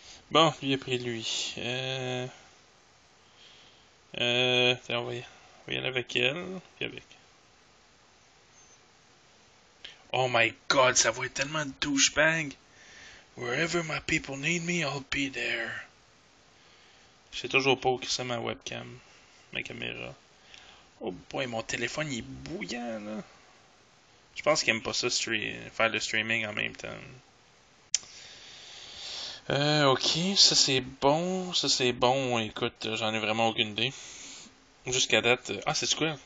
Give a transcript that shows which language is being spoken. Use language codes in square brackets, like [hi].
[fr] Bon, lui a pris lui. On va y aller avec elle, puis avec. [en] Oh my god, [fr] ça va être tellement douchebag! [en] Wherever my people need me, I'll be there. [fr] Je sais toujours pas où que c'est ma webcam, ma caméra. [en] Oh boy, [fr] mon téléphone il est bouillant là. Je pense qu'il aime pas ça, faire le streaming en même temps. Ok, ça c'est bon, ça c'est bon. Écoute, j'en ai vraiment aucune idée. Jusqu'à date. Ah, c'est quoi?